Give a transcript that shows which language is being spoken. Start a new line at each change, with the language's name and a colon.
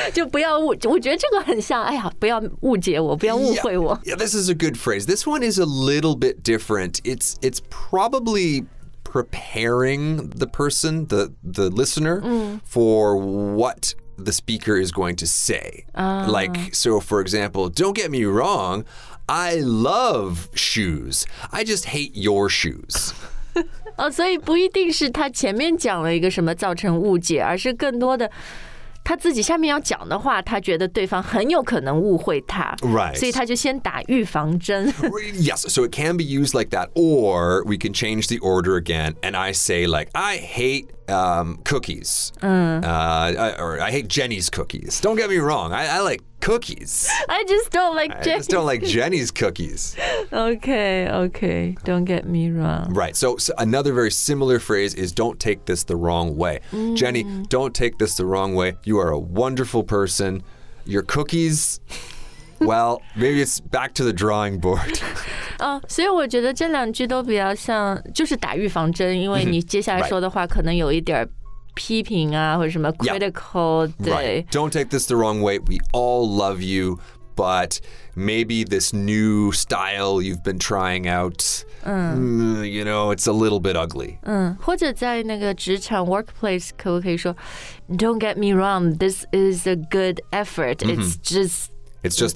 Chinese: 就不要误，我觉得这个很像，哎呀，不要误解我，不要误会我。
English: Yeah, this is a good phrase. This one is a little bit different. It's probably preparing the person, the listener, for what the speaker is going to say. Like, so for example, don't get me wrong, I love shoes. I just hate your shoes.
Chinese: 所以不一定是他前面讲了一个什么造成误解，而是更多的他自己下面要讲的话，他觉得对方很有可能误会他。
English: Right.
Chinese: 所以他就先打预防针。
English: Yes, so it can be used like that. Or we can change the order again. And I say like, I hate cookies. I hate Jenny's cookies. Don't get me wrong. I like cookies. I just don't like Jenny's cookies. I just don't like Jenny's cookies. Okay. Don't get me wrong. Right. So another very similar phrase is don't take this the wrong way. Mm. Jenny, don't take this the wrong way. You are a wonderful person. Your cookies, well, maybe it's back to the drawing board.
Chinese: 所以我觉得这两句都比较像就是打预防针，因为你接下来说的话可能有一点批评啊，或者什么 critical,
English: yeah.
Chinese: 对。
English: Right. Don't take this the wrong way. We all love you, but maybe this new style you've been trying out, you know, it's a little bit ugly.
Chinese: 或者在那个职场
English: workplace
Chinese: 可不可以说
English: don't get me wrong, this is a good effort. It's just